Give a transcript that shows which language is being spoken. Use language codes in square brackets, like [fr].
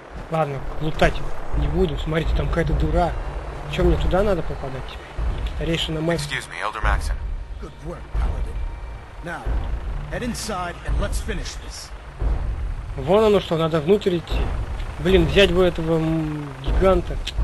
[ru] Ладно, лутать не буду, смотрите, там какая-то дура. Чё, мне туда надо попадать? Старейшина Мэк. [en] Excuse me, Elder Maxon. Good work, Paladin. Now, head inside and let's finish this. [ru] Вон оно что, надо внутрь идти. Блин, взять бы этого гиганта.